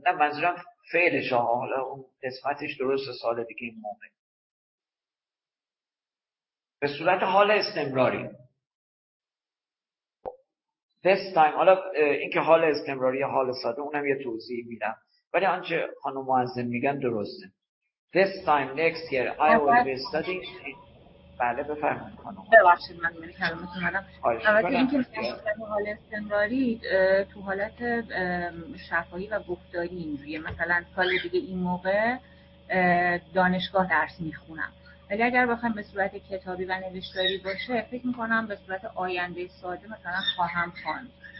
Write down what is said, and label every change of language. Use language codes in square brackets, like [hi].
[fa] نه منظورم فعلش ها. حالا اون قسمتش درست سال دیگه این موقع. به صورت حال استمراری. [en] This time. [fa] حالا این که حال استمراری یا حال ساده اونم یه توضیح میدم. ولی آنچه خانم معظم میگن درسته. [en] This time next year I will be studying. [fa] بله بفرمایید خانم. ببخشید من یعنی کلمات اومدم. البته اینکه حال استمراری تو حالت شفاهی و گفتاری اینجوریه، مثلا سال دیگه این موقع دانشگاه درس میخونم. ولی اگر بخوام به صورت کتابی و نوشتاری باشه فکر میکنم به صورت آینده ساده مثلا خواهم خواند.